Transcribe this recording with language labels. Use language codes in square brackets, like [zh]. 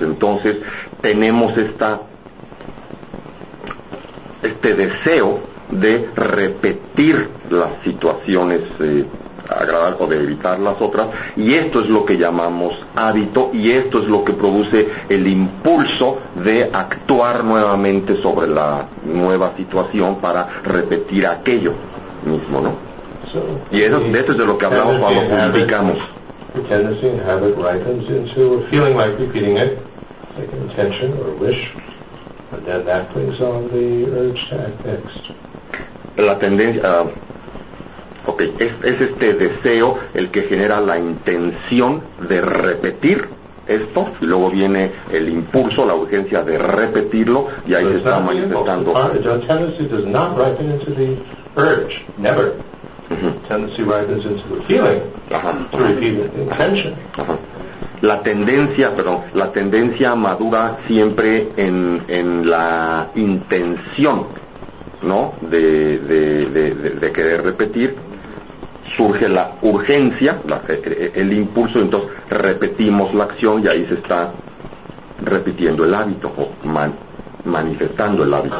[es] Entonces tenemos este deseo de repetir las situaciones agradables o de evitar las otras, y esto es lo que llamamos hábito, y esto es lo que produce el impulso de actuar nuevamente sobre la nueva situación para repetir aquello mismo, ¿no? Y eso, de esto es de lo que hablamos cuando publicamos. [en] The tendency and habit ripens into a feeling like repeating it, like an intention or a wish, and then that brings on the urge to act next. [es] La tendencia, okay, es este deseo el que genera la intención de repetir esto, y luego viene el impulso, la urgencia de repetirlo, y ahí [en] so [es] se está manifestando. [en] The tendency does not ripen into the urge, never. Tendency ripens into the feeling, to repeat the intention. [es] La tendencia madura siempre en la intención, ¿no? De querer repetir, surge la urgencia, el impulso, entonces repetimos la acción y ahí se está repitiendo el hábito o manifestando el hábito.